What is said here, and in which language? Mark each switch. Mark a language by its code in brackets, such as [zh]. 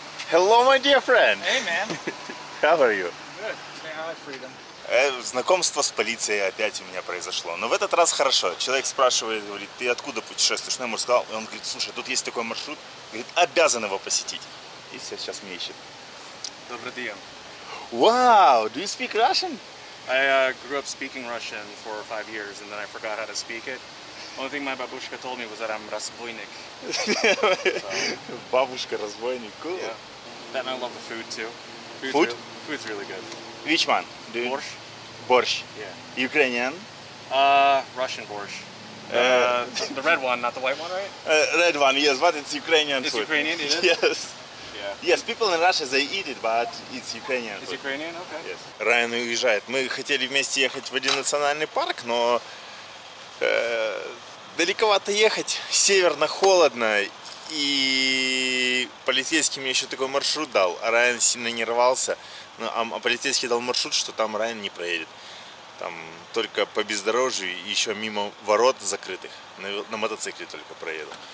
[en] Hello, my dear friend. Hey, man. How are you? Good. Say hi, freedom. [ru] Знакомство с полицией опять у меня произошло. Но в этот раз хорошо. Человек спрашивает, говорит, ты откуда путешествуешь? Ну, я ему сказал, и он говорит, слушай, тут есть такой маршрут. Говорит, обязан его посетить. И все сейчас меня ищут. Добрый день. [en] Wow, do you speak Russian? I grew up speaking Russian for 5 years, and then I forgot how to speak it. Only thing my [ru] бабушка [en] told me was that I'm [ru] разбойник. Бабушка разбойник, [en] cool. Yeah. Then I love the food too. Food? Food's really good. Which one? Do you... Borscht. Borscht. Yeah. Ukrainian? Russian borscht. The red one, not the white one, right? Red one, yes, but it's Ukrainian it's food. It's Ukrainian, it is? Yes. Yeah. Yes, people in Russia, they eat it, but it's Ukrainian. It's Ukrainian, okay. Yes. [ru] Райан уезжает. Мы хотели вместе ехать в один национальный парк, но... далековато ехать, северно холодно, и полицейский мне еще такой маршрут дал, а Райан сильно не рвался, ну, а полицейский дал маршрут, что там Райан не проедет, там только по бездорожью, еще мимо ворот закрытых, на мотоцикле только проеду.